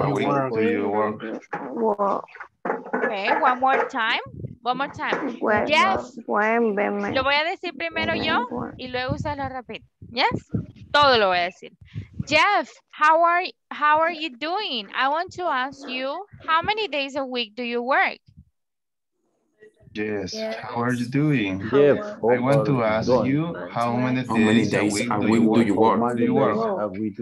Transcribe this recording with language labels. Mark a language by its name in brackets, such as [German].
[English] How many days a week do you work? Okay, one more time. One more time. Jeff, [Spanish] lo voy a decir primero yo y luego se lo repito. [English] Yes? [Spanish] Todo lo voy a decir. [English] Jeff, how are you doing? I want to ask you, how many days a week do you work? Yes, how are you doing? Jeff, I want to ask you, how many days a week do you work?